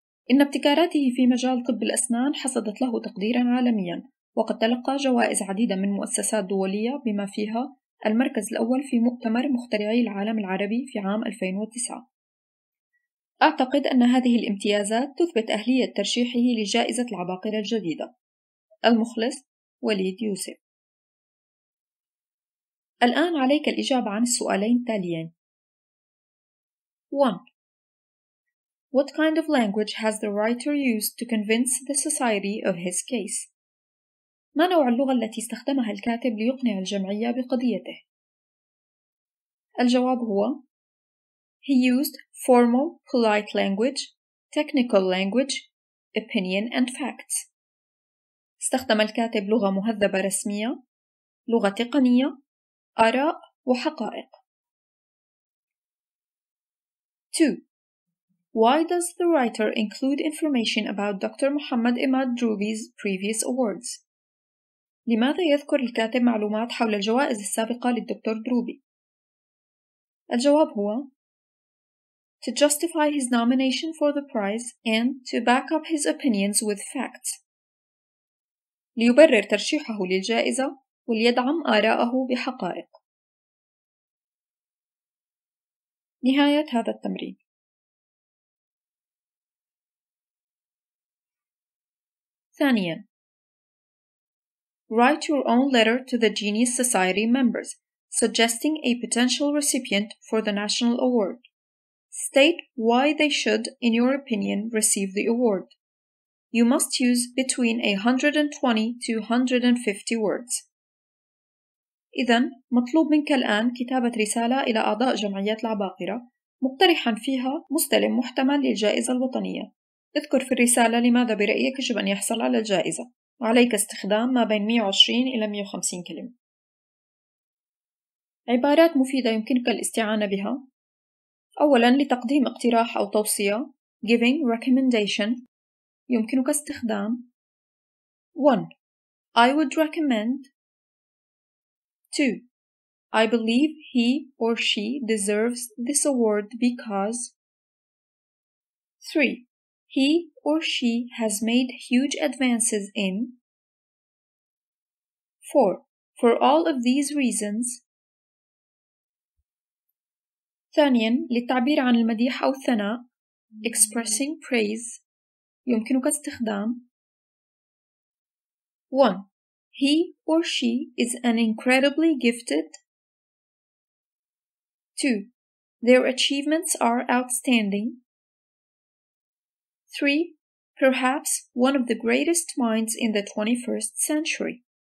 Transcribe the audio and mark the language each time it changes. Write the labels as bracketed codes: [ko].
[ar] إن ابتكاراته في مجال طب الأسنان حصدت له تقديراً عالمياً، وقد تلقى جوائز عديدة من مؤسسات دولية بما فيها المركز الأول في مؤتمر مخترعي العالم العربي في عام 2009. أعتقد أن هذه الامتيازات تثبت أهلية ترشيحه لجائزة العباقرة الجديدة. المخلص وليد يوسف. الآن عليك الإجابة عن السؤالين التاليين. 1. [en] What kind of language has the writer used to convince the society of his case? [ar] ما نوع اللغة التي استخدمها الكاتب ليقنع الجمعية بقضيته؟ الجواب هو [en] He used formal, polite language, technical language, opinion and facts. [ar] استخدم الكاتب لغة مهذبة رسمية، لغة تقنية، آراء وحقائق. 2. [en] Why does the writer include information about Dr. Muhammad Imad Droubi's previous awards? [ar] لماذا يذكر الكاتب معلومات حول الجوائز السابقة للدكتور دروبي؟ الجواب هو [en] To justify his nomination for the prize and to back up his opinions with facts. [ar] ليبرر ترشيحه للجائزة وليدعم آراءه بحقائق. نهاية هذا التمرين. ثانياً [en] Write your own letter to the Genius Society members, suggesting a potential recipient for the national award. State why they should, in your opinion, receive the award. You must use between 120 to 150 words. [ar] إذن مطلوب منك الآن كتابة رسالة إلى أعضاء جمعيات العباقرة مقترحاً فيها مستلم محتمل للجائزة الوطنية. اذكر في الرسالة لماذا برأيك يجب أن يحصل على الجائزة. وعليك استخدام ما بين 120 إلى 150 كلمة. عبارات مفيدة يمكنك الاستعانة بها. أولاً لتقديم اقتراح أو توصية [en] giving recommendation [ar] يمكنك استخدام 1. [en] I would recommend 2. I believe he or she deserves this award because 3. He or she has made huge advances in 4. For all of these reasons [ar] ثانياً للتعبير عن المديح أو الثناء [en] expressing praise [ar] يمكنك استخدام 1. [en] He or she is an incredibly gifted 2. Their achievements are outstanding 3. Perhaps one of the greatest minds in the 21st century.